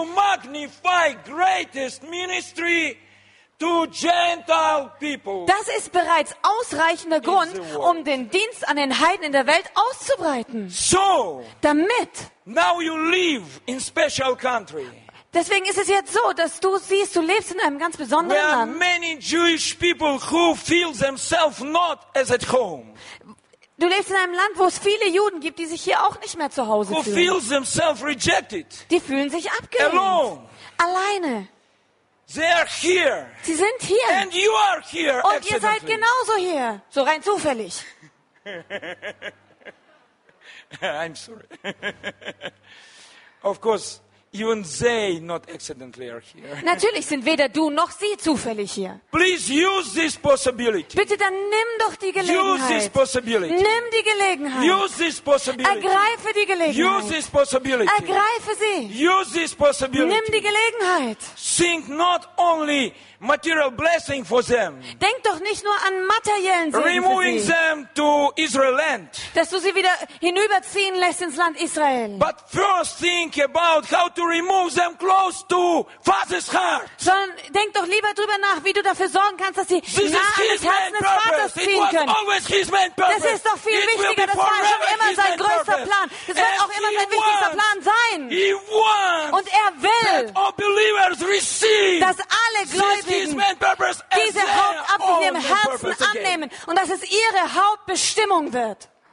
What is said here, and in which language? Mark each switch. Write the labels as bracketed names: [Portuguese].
[English] To magnify greatest ministry to Gentile people. [German] Das ist bereits ausreichender Grund, um den Dienst an den Heiden in der Welt auszubreiten. [English] So, [German] damit. [English] Now you live in special country. [German] Deswegen ist es jetzt so, dass du siehst, du lebst in einem ganz besonderen [English] where [German] Land. [English] Many Jewish people who feel themselves not as at home. [German] Du lebst in einem Land, wo es viele Juden gibt, die sich hier auch nicht mehr zu Hause [English] who [German] fühlen. [English] Feels themselves rejected. [German] Die fühlen sich abgelehnt. [English] Alone. [German] Alleine. [English] They are here. [German] Sie sind hier. [English] And you are here. [German] Und ihr seid genauso hier, so rein zufällig. [English] I'm sorry. Of course, Even they not accidentally are here. [German] Natürlich sind weder du noch sie zufällig hier. [English] Please use this possibility. [German] Bitte dann nimm doch die Gelegenheit. [English] Use this possibility. [German] Nimm die Gelegenheit. [English] Use this possibility. [German] Ergreife die Gelegenheit. [English] Use this possibility. [German] Ergreife sie. [English] Use this possibility. [German] Nimm die Gelegenheit. [English] Think not only material blessing for them. [German] Denk doch nicht nur an materiellen Segen. [English] Removing [German] für sie. [English] Them to Israel land. [German] Dass du sie wieder hinüberziehen lässt ins Land Israel. [English] But first think about how to remove them close to Father's heart. [German] Sondern denk doch lieber drüber nach, wie du dafür sorgen kannst, dass sie [English] this [German] nah an das Herz des Vaters ziehen können. Das ist doch viel [English] it [German] wichtiger. Das war schon immer sein größter Plan. Das wird auch immer sein wichtigster Plan sein. Und er will, dass alle Gläubigen diese Hauptabsicht in ihrem Herzen annehmen und dass es ihre Hauptbestimmung wird.